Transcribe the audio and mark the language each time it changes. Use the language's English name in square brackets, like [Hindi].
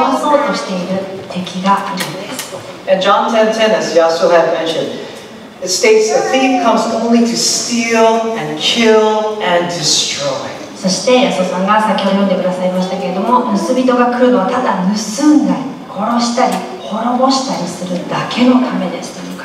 [Japanese] 私たちも私たちの周りを守っている壁というものがあるんですけれども、小さな蛇を見つけて私たちの中に入り込んで私たちを内側から壊そうとしている敵がいるんです。 [English] And John 10:10, as Yasuo had mentioned, it states the thief comes only to steal and kill and destroy. [Japanese] そして、ヤソさんが先ほど読んでくださいましたけれども、盗人が来るのはただ盗んだり殺したり滅ぼしたりするだけのためです。